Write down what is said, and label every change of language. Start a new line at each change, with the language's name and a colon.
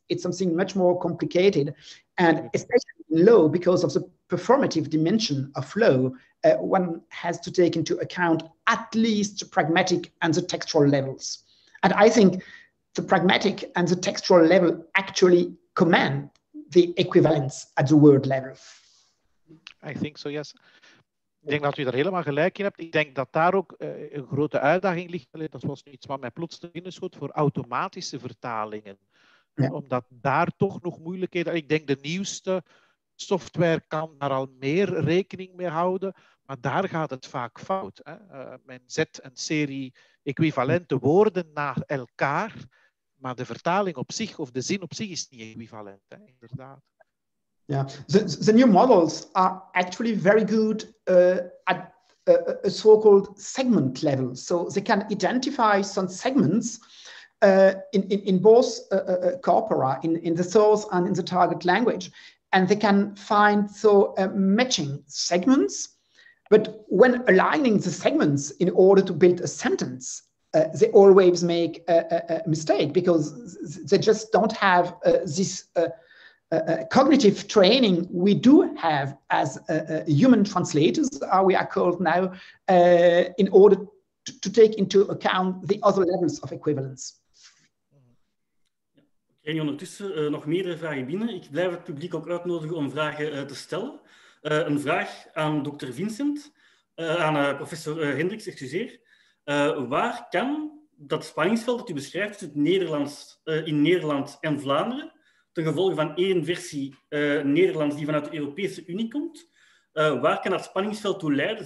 English: It's something much more complicated, and especially in law, because of the performative dimension of law, one has to take into account at least the pragmatic and the textual levels. And I think the pragmatic and the textual level actually command the equivalence at the word level. I think so, yes.
Dutch: Ik denk dat u daar helemaal gelijk in hebt. Ik denk dat daar ook een grote uitdaging ligt. Dat was iets wat mij plots erin schoot voor automatische vertalingen. omdat daar toch nog moeilijkheden... Ik denk de nieuwste software kan daar al meer rekening mee houden, maar daar gaat het vaak fout. Hè. Men zet een serie equivalente woorden naar elkaar, maar de vertaling op zich of de zin op zich is niet equivalent, hè, inderdaad.
English: Ja, the new models are actually very good at a so-called segment level. So they can identify some segments in both corpora, in the source and in the target language. And they can find matching segments. But when aligning the segments in order to build a sentence, they always make a mistake because they just don't have this cognitive training we do have as human translators, how we are called now, in order to take into account the other levels of equivalence.
Dutch: Ik krijg ondertussen nog meerdere vragen binnen. Ik blijf het publiek ook uitnodigen om vragen te stellen. Een vraag aan dokter Vincent, aan professor Hendricks, excuseer. Waar kan dat spanningsveld dat u beschrijft het Nederlands, in Nederland en Vlaanderen, ten gevolge van één versie Nederlands die vanuit de Europese Unie komt, waar kan dat spanningsveld toe leiden?